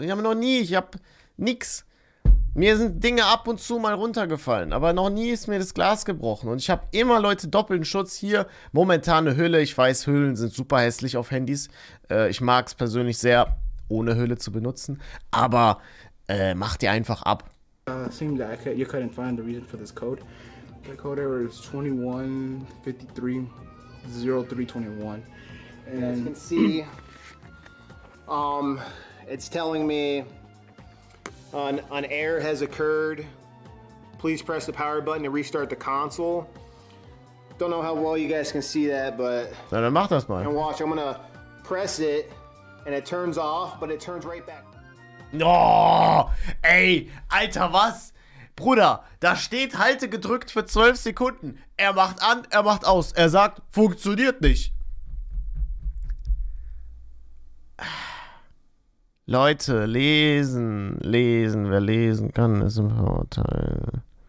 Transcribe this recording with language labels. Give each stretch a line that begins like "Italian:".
German: Ich habe nix. Mir sind Dinge ab und zu mal runtergefallen, aber noch nie ist mir das Glas gebrochen. Und ich habe immer, Leute, doppelten Schutz hier. Momentane Hülle, ich weiß, Hüllen sind super hässlich auf Handys. Ich mag es persönlich sehr, ohne Hülle zu benutzen. Aber macht die einfach ab.
English: Seemed like you couldn't find the reason for this code. The code error is 2153-0321. And as you can see, it's telling me an error has occurred. Please press the power button to restart the console. Don't know how well you guys can see that, but...
German: Na, dann mach das mal.
English: And watch, I'm gonna press it, and it turns off, but it turns right back.
German: Oh, ey, Alter, was? Bruder, da steht Halte gedrückt für 12 Sekunden. Er macht an, er macht aus. Er sagt, funktioniert nicht. Leute, lesen. Wer lesen kann, ist im Vorteil.